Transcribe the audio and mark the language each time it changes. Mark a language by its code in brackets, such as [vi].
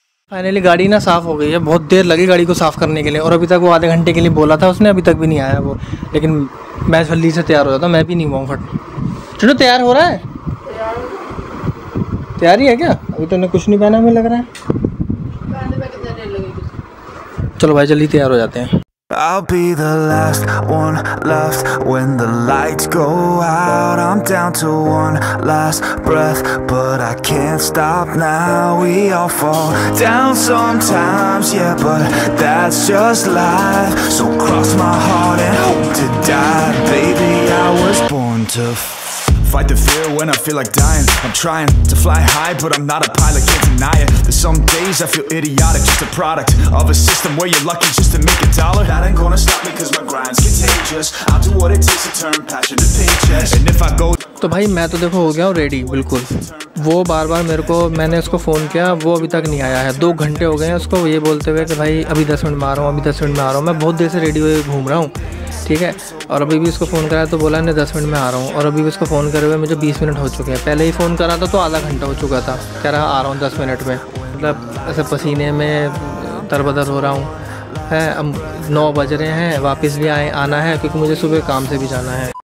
[hi] Finally गाड़ी ना साफ़ हो गई है, बहुत देर लगी गाड़ी को साफ़ करने के लिए, और अभी तक वो आधे घंटे के लिए बोला था उसने, अभी तक भी नहीं आया वो, लेकिन मैं जल्दी से तैयार हो जाता, मैं भी नहीं हुआ फट। चलो तैयार हो रहा है, तैयारी है क्या, अभी तो ने कुछ नहीं पहना हमें लग रहा है, चलो भाई जल्दी तैयार हो जाते हैं। [en] I'll be the last one left when the lights go out. I'm down to one last breath, but I can't stop now. We all fall down sometimes, yeah, but that's just life. So cross my heart and hope to die. Baby, I was born to fight the fear when I feel like dying. I'm trying to fly high, but I'm not a pilot, can't deny it. There's some days I feel idiotic, just a product of a system where you're lucky just to make a dollar. That ain't gonna stop me cause my grind's contagious. I'll do what it takes to turn passion to paychecks. And if I go. [hi] तो भाई मैं तो देखो हो गया हूँ ready बिल्कुल, वो बार बार मेरे को, मैंने उसको फ़ोन किया वो अभी तक नहीं आया है, दो घंटे हो गए हैं उसको ये बोलते हुए कि भाई अभी 10 मिनट में आ रहा हूँ, अभी 10 मिनट में आ रहा हूँ, मैं बहुत देर से रेडी हुए घूम रहा हूँ ठीक है, और अभी भी उसको फ़ोन कराया तो बोला नहीं 10 मिनट में आ रहा हूँ, और अभी भी उसको फ़ोन करे हुए मुझे 20 मिनट हो चुके हैं, पहले ही फ़ोन करा था तो आधा घंटा हो चुका था, कह रहा आ रहा हूँ 10 मिनट में, मतलब ऐसे पसीने में तरबतर हो रहा हूँ है, अब 9 बज रहे हैं, वापस भी आना है क्योंकि मुझे सुबह काम से भी जाना है।